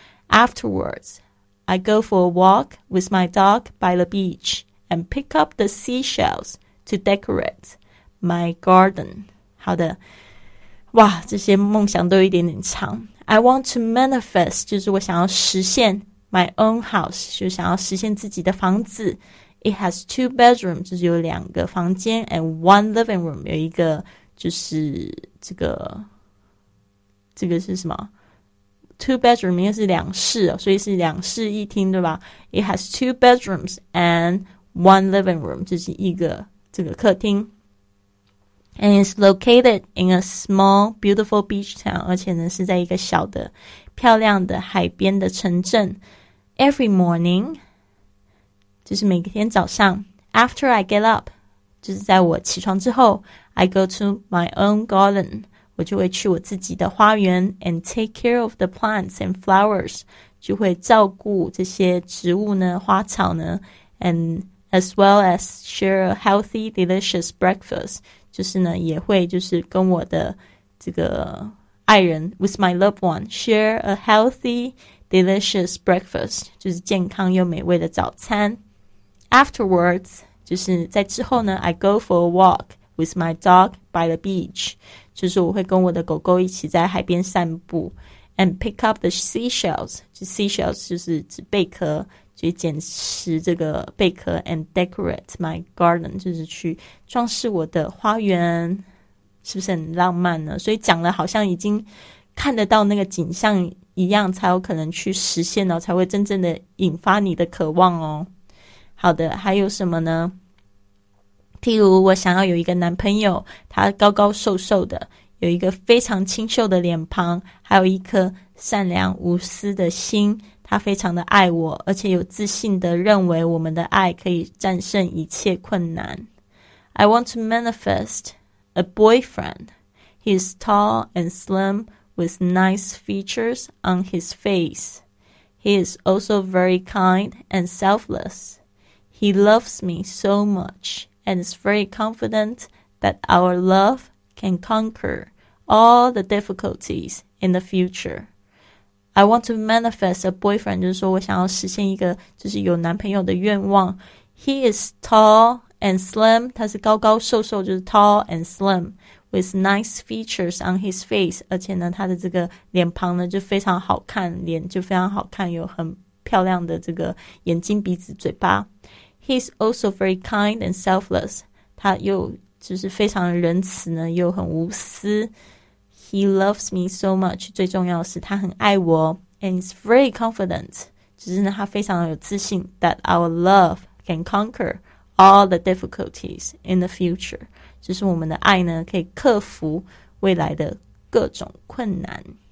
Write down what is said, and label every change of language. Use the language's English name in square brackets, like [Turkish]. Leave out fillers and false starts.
[English] Afterwards, I go for a walk with my dog by the beach and pick up the seashells to decorate my garden. [Chinese] 好的，哇，这些梦想都有一点点长。 [English] I want to manifest, [Chinese] 就是我想要实现 [English] my own house, [Chinese] 就想要实现自己的房子。 [English] It has two bedrooms, [Chinese] 就是有两个房间 [English] and one living room, [Chinese] 有一个就是这个是什么 ? [English] two bedroom, [Chinese] 应该是两室、哦、所以是两室一厅对吧 ? [English] It has two bedrooms and one living room, [Chinese] 就是一个这个客厅。 [English] And it's located in a small, beautiful beach town, [Chinese] 而且呢是在一个小的漂亮的海边的城镇。 [English] Every morning, [Chinese] 就是每天早上 [English] ,after I get up, [Chinese] 就是在我起床之后 [English] ,I go to my own garden. [Chinese] 我就会去我自己的花园 [English] and take care of the plants and flowers, [Chinese] 就会照顾这些植物呢花草呢 [English] and as well as share a healthy, delicious breakfast, [Chinese] 就是呢也会就是跟我的这个爱人 [English] with my loved one, share a healthy, delicious breakfast, [Chinese] 就是健康又美味的早餐。 [English] Afterwards, [Chinese] 就是在之后呢 [English] I go for a walk with my dog by the beach, [Chinese] 就是我会跟我的狗狗一起在海边散步 [English] and pick up the seashells, [Chinese] 就 seashells 就是指贝壳，就捡拾这个贝壳 [English] and decorate my garden, [Chinese] 就是去装饰我的花园，是不是很浪漫呢？所以讲了好像已经看得到那个景象一样，才有可能去实现哦，才会真正的引发你的渴望哦。好的，还有什么呢？譬如我想要有一个男朋友，他高高瘦瘦的，有一个非常清秀的脸庞，还有一颗善良无私的心，他非常的爱我，而且有自信的认为我们的爱可以战胜一切困难。 [English] I want to manifest a boyfriend. He is tall and slim with nice features on his face. He is also very kind and selfless. He loves me so muchAnd is very confident that our love can conquer all the difficulties in the future. I want to manifest a boyfriend, [Chinese] 就是说我想要实现一个就是有男朋友的愿望。 [English] He is tall and slim, [Chinese] 他是高高瘦瘦，就是 [English] tall and slim, with nice features on his face, [Chinese] 而且呢他的这个脸庞呢就非常好看，脸就非常好看，有很漂亮的这个眼睛、鼻子、嘴巴。 [English] He's also very kind and selfless. [Chinese] 他又就是非常仁慈呢，又很无私。 [English] He loves me so much. [Chinese] 最重要的是他很爱我。 [English] And he's very confident. [Chinese] 就是呢他非常有自信 [English] that our love can conquer all the difficulties in the future. [Chinese] 就是我们的爱呢可以克服未来的各种困难。